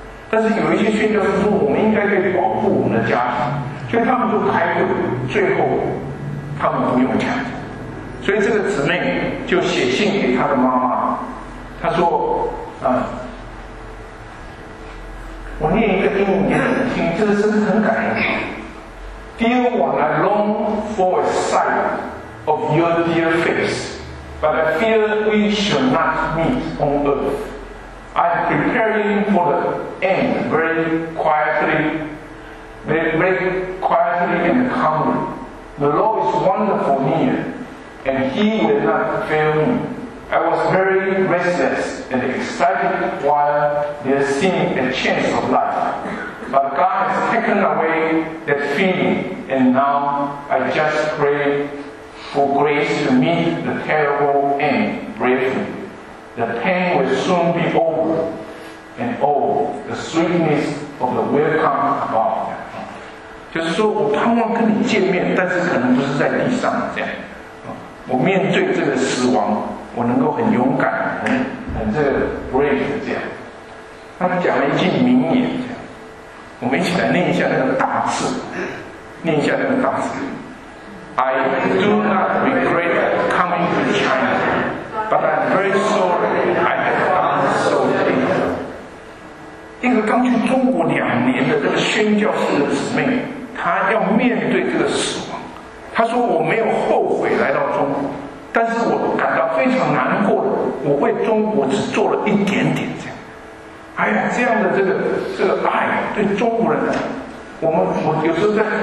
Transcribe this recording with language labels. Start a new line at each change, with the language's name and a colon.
Chinese: 但是有一些宣教士说，我们应该可以保护我们的家庭，所以他们就开会，最后他们不用枪，所以这个姊妹就写信给他的妈妈，他说啊。我念一个英文给你听，这个真的很感人。
English: Dear one, I long for a sight of your dear face, but I fear we shall not meet on earth. I am preparing for the end very quietly and calmly. The Lord is wonderful near, and He will not fail me. I was very restless and excited while there seemed a chance of life. But God has taken away that feeling, and now I just pray for grace to meet the terrible end bravely. The pain will soon be over, and oh, the sweetness of the welcome above.
Chinese: 就是说我盼望跟你见面，但是可能不是在地上这样。我面对这个死亡，我能够很勇敢，很这个 brave 这样。他讲了一句名言，这样，我们一起来念一下那个大字，念一下那个大字。
English: I do not regret coming to China, but I'm very sorry I have done so little.
Chinese: 一个刚去中国2年的这个宣教士的姊妹，她要面对这个死亡。她说：“我没有后悔来到中国。” 但是我感到非常难过的，我为中国只做了一点点，这样。哎呀，这样的这个爱对中国人，我有时候在